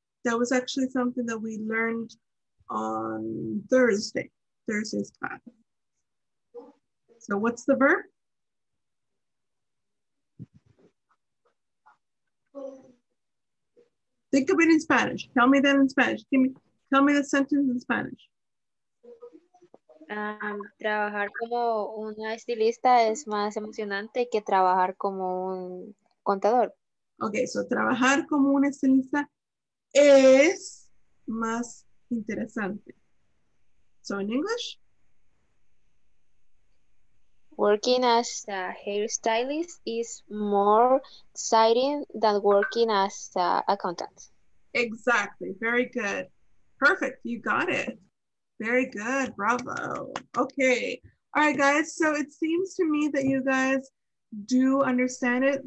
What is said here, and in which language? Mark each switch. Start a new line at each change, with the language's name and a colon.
English: That was actually something that we learned on Thursday's class. So what's the verb? Think of it in Spanish. Tell me that in Spanish. Tell me the sentence in Spanish.
Spanish: Trabajar como una estilista es más emocionante que trabajar como un contador.
English: Okay, so
Spanish: trabajar como un estilista es más interesante.
English: So in English? Working as a hairstylist is more exciting than working as an accountant. Exactly, very good. Perfect, you got it. Very good, bravo. Okay, all right guys, so it seems to me that you guys do understand it.